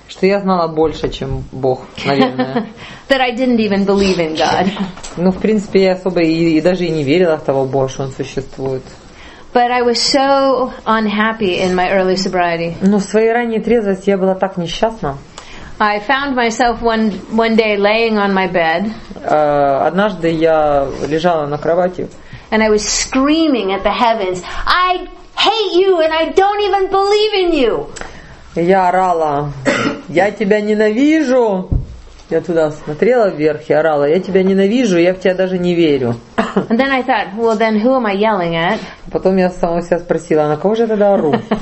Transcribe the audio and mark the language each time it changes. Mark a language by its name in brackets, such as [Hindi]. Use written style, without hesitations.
[Russian] Что я знала больше, чем Бог, наверное. [English] That I didn't even believe in God. [Russian] Ну, в принципе, я особо и даже и не верила в того Бога, что он существует. [English] But I was so unhappy in my early sobriety. [Russian] Но в своей ранней трезвости я была так несчастна. [English] I found myself one day laying on my bed. [Russian] Однажды я лежала на кровати. [English] And I was screaming at the heavens. I hate you and I don't even believe in you. [Russian] Я орала, я тебя ненавижу. Я туда смотрела вверх и орала, я тебя ненавижу, я в тебя даже не верю. [English] And then I thought, well, then who am I yelling at? [Russian] Потом я сама себя спросила, на кого же я тогда ору?